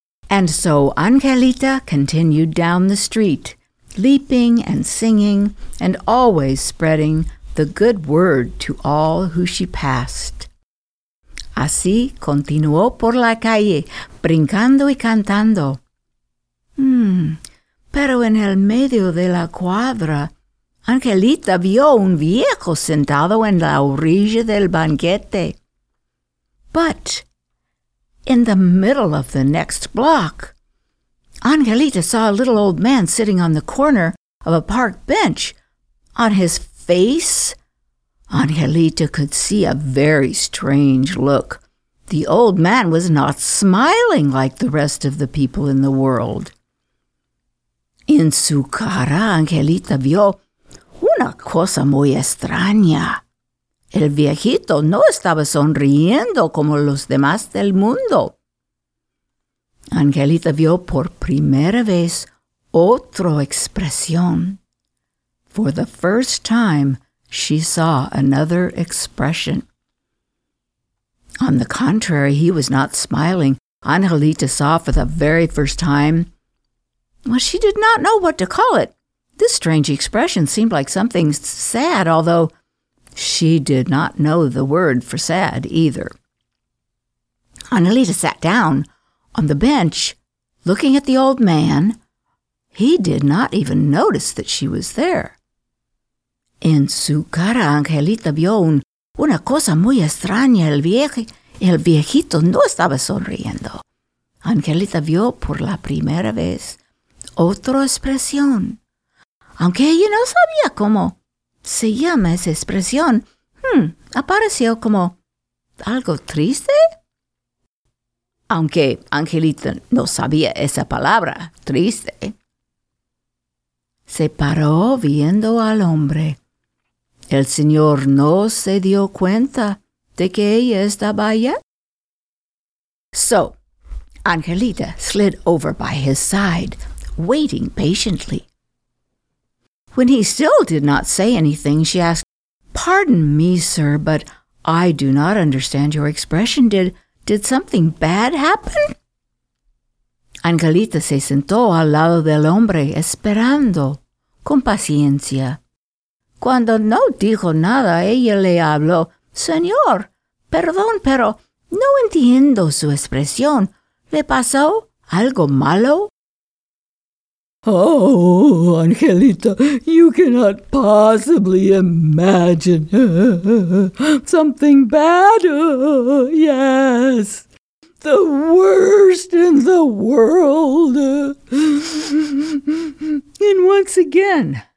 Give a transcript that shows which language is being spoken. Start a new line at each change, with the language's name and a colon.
English: And so Angelita continued down the street, leaping and singing and always spreading the good word to all who she passed.
Spanish: Así continuó por la calle, brincando y cantando. Pero en el medio de la cuadra, Angelita vio un viejo sentado en la orilla del banquete.
English: But in the middle of the next block, Angelita saw a little old man sitting on the corner of a park bench. On his face, Angelita could see a very strange look. The old man was not smiling like the rest of the people in the world.
Spanish: En su cara, Angelita vio una cosa muy extraña. El viejito no estaba sonriendo como los demás del mundo. Angelita vio por primera vez otra expresión.
English: For the first time, she saw another expression. On the contrary, he was not smiling. Angelita saw for the very first time. Well, she did not know what to call it. This strange expression seemed like something sad, although she did not know the word for sad either. Angelita sat down on the bench, looking at the old man. He did not even notice that she was there.
Spanish: En su cara, Angelita vio una cosa muy extraña. El viejito no estaba sonriendo. Angelita vio por la primera vez otra expresión. Aunque ella no sabía cómo se llama esa expresión, apareció como algo triste. Aunque Angelita no sabía esa palabra, triste. Se paró viendo al hombre. El señor no se dio cuenta de que ella estaba allá.
English: So, Angelita slid over by his side, waiting patiently. When he still did not say anything, she asked, "Pardon me, sir, but I do not understand your expression. Did something bad happen?"
Spanish: Angelita se sentó al lado del hombre, esperando, con paciencia. Cuando no dijo nada, ella le habló, "Señor, perdón, pero no entiendo su expresión. ¿Le pasó algo malo?"
English: Oh, Angelita, you cannot possibly imagine something bad. Yes, the worst in the world. And once again,